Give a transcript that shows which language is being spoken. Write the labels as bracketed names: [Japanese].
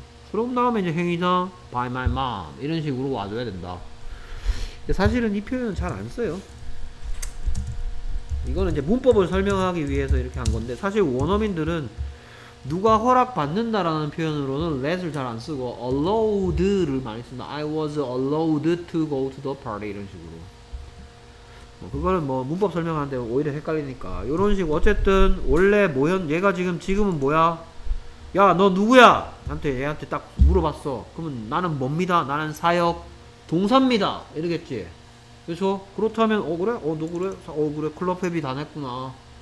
[Korean] 그럼 다음에 이제 행위자 [English] by my mom [Korean] 이런 식으로 와줘야 된다. 사실은 이 표현은 잘 안 써요. 이거는 이제 문법을 설명하기 위해서 이렇게 한 건데, 사실 원어민들은 누가 허락받는다라는 표현으로는 let을 잘 안 쓰고 allowed를 많이 쓴다. [English] I was allowed to go to the party [Korean] 이런 식으로. 뭐 그거는 뭐 문법 설명하는데 오히려 헷갈리니까 요런 식. 어쨌든 원래 뭐였, 얘가 지금은 뭐야? 야 너 누구야? 얘한테 딱 물어봤어. 그러면 나는 뭡니다? 나는 사역 동사입니다 이러겠지. 그렇죠? 그렇다면 어 그래? 어 너 그래? 어 그래? 클럽 회비 다 냈구나.